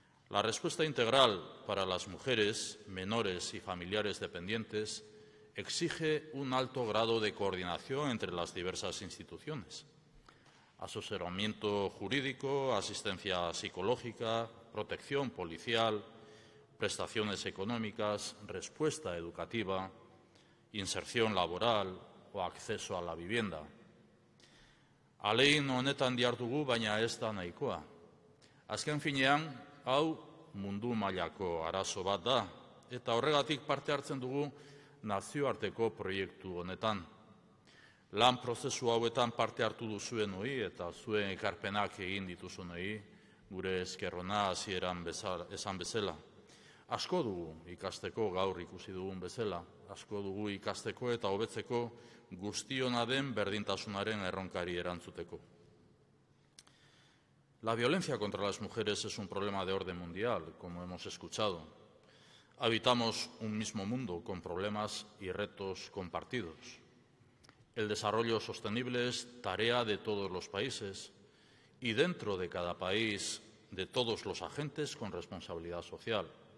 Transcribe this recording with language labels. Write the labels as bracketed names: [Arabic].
[Spanish] La respuesta integral para las mujeres, menores y familiares dependientes exige un alto grado de coordinación entre las diversas instituciones. Asesoramiento jurídico, asistencia psicológica, protección policial, prestaciones económicas, respuesta educativa, inserción laboral o acceso a la vivienda. [Basque] Alein honetan dihardugu, baina ez da nahikoa. Azken finean, hau mundu mailako arazo bat da, eta horregatik parte hartzen dugu nazioarteko proiektu honetan. Lan prozesu hauetan parte hartu duzuen hori eta zuen ekarpenak egin dituzun hori, gure eskerrona hasieran esan bezala. Asko dugu ikasteko gaur ikusi dugun bezala, asko dugu ikasteko eta hobetzeko guztiona den berdintasunaren erronkari erantzuteko. [Spanish] La violencia contra las mujeres es un problema de orden mundial, como hemos escuchado. Habitamos un mismo mundo con problemas y retos compartidos. El desarrollo sostenible es tarea de todos los países y dentro de cada país de todos los agentes con responsabilidad social.